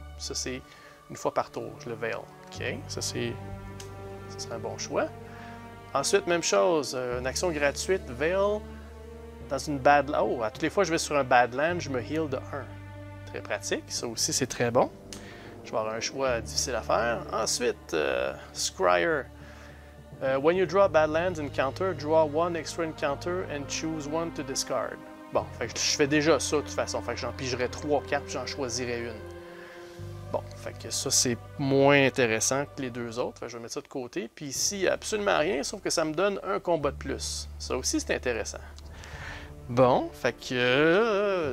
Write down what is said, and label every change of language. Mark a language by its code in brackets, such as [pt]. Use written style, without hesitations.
[fr] Ça, c'est une fois par tour, je le veil. Ok, ça serait un bon choix. Ensuite, même chose, une action gratuite, veil dans une bad. Oh, à toutes les fois que je vais sur un badland, je me heal de 1. Très pratique, ça aussi, c'est très bon. Je vais avoir un choix difficile à faire. Ensuite, Scryer. [en] When you draw a Badlands encounter, draw one extra encounter and choose one to discard. [fr] Bon, fait que je fais déjà ça de toute façon. Fait que j'en pigerai 3 cartes, j'en choisirai une. Bon, fait que ça, c'est moins intéressant que les deux autres. Fait que je vais mettre ça de côté. Puis ici, absolument rien, sauf que ça me donne un combat de plus. Ça aussi, c'est intéressant. Bon, fait que.